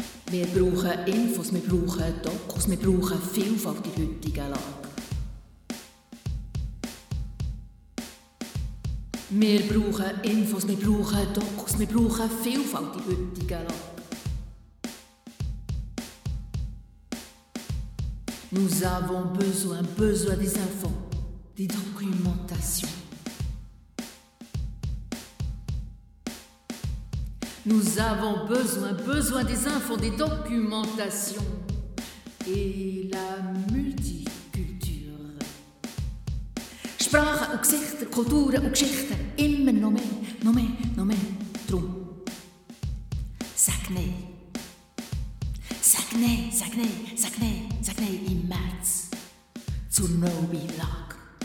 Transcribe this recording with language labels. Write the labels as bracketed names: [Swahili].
[German] Wir brauchen Infos, wir brauchen Dokus, wir brauchen Vielfalt in heutigen Lage. Wir brauchen Infos, wir brauchen Dokus, wir brauchen Vielfalt in heutigen Lage. [French] Nous avons besoin des infos, des documentations. Nous avons besoin des infos, des documentations et la multiculture. [German] Sprachen und Gesichter, Kulturen und Geschichten, immer noch mehr, noch mehr, noch mehr. Drum, sag nein. Sag nein, sag nein, sag nein, sag nein im März zur No-Be-Lag.